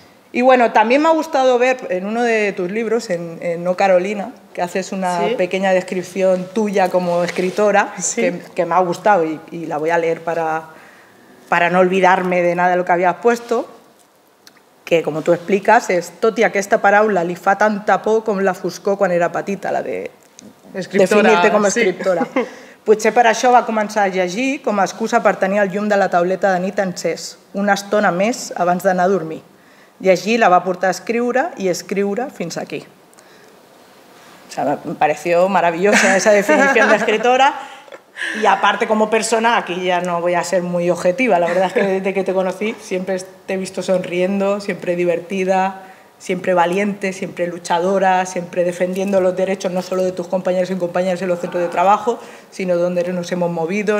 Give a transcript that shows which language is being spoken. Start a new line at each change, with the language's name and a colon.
Spanish: Y bueno, también me ha gustado ver en uno de tus libros, en No Carolina, que haces una pequeña descripción tuya como escritora, que me ha gustado y la voy a leer para no olvidarme de nada de lo que habías puesto, que como tú explicas, es
Catalan: «Totia, que esta paraula li fa tanta por com la foscó quan era petita»,
Spanish: la de definirte como escriptora.
Catalan: Potser per això va començar a llegir com a excusa per tenir el llum de la tauleta de nit encès, una estona més abans d'anar a dormir. Llegir la va portar a escriure i escriure fins aquí.
Spanish: O sea, me pareció maravillosa esa definición de escritora. Y aparte como persona, aquí ya no voy a ser muy objetiva, la verdad es que desde que te conocí siempre te he visto sonriendo, siempre divertida, siempre valiente, siempre luchadora, siempre defendiendo los derechos no solo de tus compañeros y compañeras en los centros de trabajo, sino donde nos hemos movido.